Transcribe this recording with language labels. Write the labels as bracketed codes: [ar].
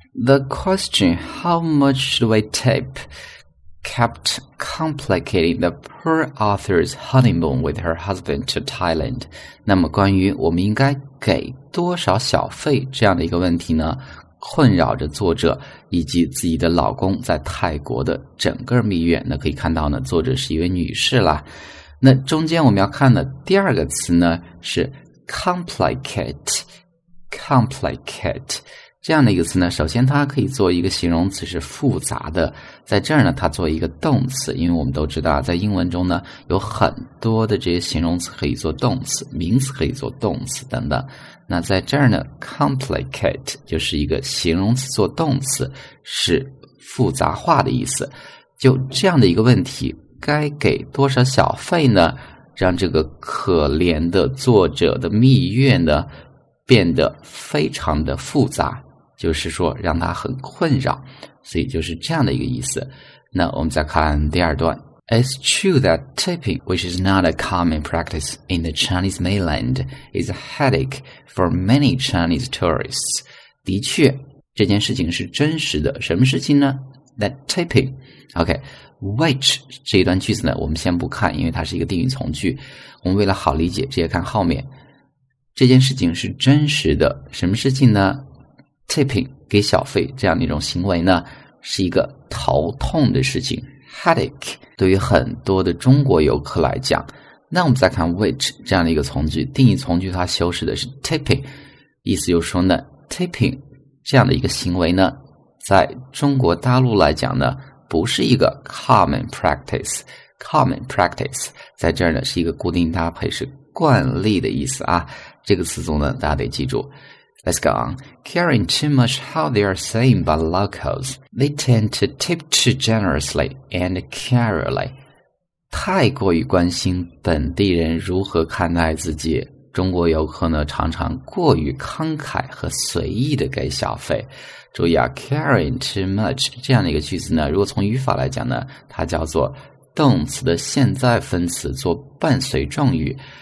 [en] The question how much should we tip kept complicating the poor author's honeymoon with her husband to Thailand。 [zh] 那么关于我们应该给多少小费这样的一个问题呢，困扰着作者以及自己的老公在泰国的整个蜜月。那可以看到呢，作者是一位女士啦。那中间我们要看的第二个词呢，是 complicate， complicate 这样的一个词呢，首先它可以做一个形容词，是复杂的，在这儿呢它做一个动词。因为我们都知道在英文中呢，有很多的这些形容词可以做动词，名词可以做动词等等。那在这儿呢 complicate 就是一个形容词做动词，是复杂化的意思。就这样的一个问题，该给多少小费呢，让这个可怜的作者的蜜月呢变得非常的复杂，就是说让他很困扰，所以就是这样的一个意思。那我们再看第二段。 [en] It's true that tipping, which is not a common practice in the Chinese mainland, is a headache for many Chinese tourists. [zh] 的确，这件事情是真实的。什么事情呢？ [en] That tipping. OK, which [zh] 这一段句子呢，我们先不看，因为它是一个定语从句。我们为了好理解，直接看后面。这件事情是真实的。什么事情呢？Tipping, 给小费这样的一种行为呢，是一个头痛的事情。 Headache 对于很多的中国游客来讲。那我们再看 which 这样的一个从句，定义从句它修饰的是 tipping， 意思就是说呢， tipping 这样的一个行为呢，在中国大陆来讲呢，不是一个 common practice， common practice 在这儿呢是一个固定搭配，是惯例的意思啊。这个词组呢大家得记住。 [en] Let's go on. Caring too much how they are seen by locals, they tend to tip too generously and carelessly. [zh] 太过于关心本地人如何看待自己，中国游客呢常常过于慷慨和随意的给小费。注意啊， [en] caring too much [zh] 这样的一个句子呢，如果从语法来讲呢，它叫做动词的现在分词做伴随状语。